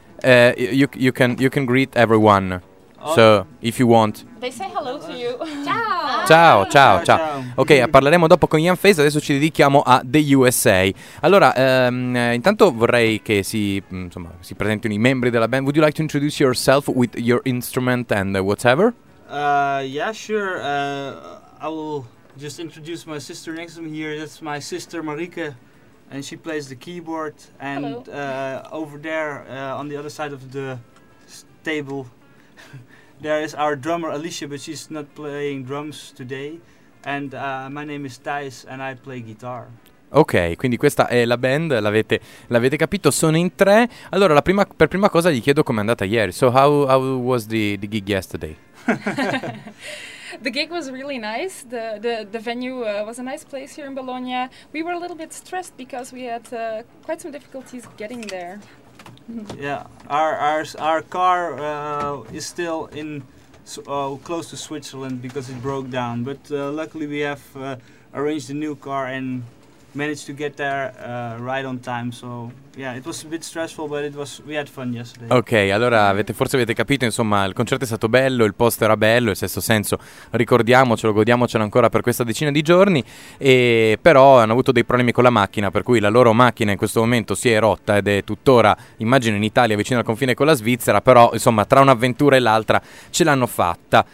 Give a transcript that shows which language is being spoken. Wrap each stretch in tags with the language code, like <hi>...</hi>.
<en>You can greet everyone. So, if you want. They say hello to you.</en> <it>Ciao. Ok, parleremo dopo con Ian Faze, adesso ci dedichiamo a The USA. Allora, intanto vorrei che si presentino i membri della band.</it> <en>Would you like to introduce yourself with your instrument and whatever? I will just introduce my sister next to me here. That's my sister Marike, and she plays the keyboard. And over there, on the other side of the table, there is our drummer Alicia, but she's not playing drums today. And my name is Thijs and I play guitar.</en> <it>Ok, quindi questa è la band, l'avete capito, sono in tre. Allora, per prima cosa gli chiedo com'è andata ieri.</it> <en>So how was the gig yesterday? The gig was really nice. The venue was a nice place here in Bologna. We were a little bit stressed because we had quite some difficulties getting there. Yeah, our car is still in close to Switzerland because it broke down. But luckily we have arranged a new car and managed to get there right on time. So yeah, it was a bit stressful, but we had fun yesterday.</en> <it>Ok, allora forse avete capito, insomma, il concerto è stato bello, il posto era bello, il Sesto Senso, ricordiamocelo, godiamocelo ancora per questa decina di giorni, e però hanno avuto dei problemi con la macchina, per cui la loro macchina in questo momento si è rotta ed è tuttora, immagino, in Italia, vicino al confine con la Svizzera, però insomma tra un'avventura e l'altra ce l'hanno fatta.</it>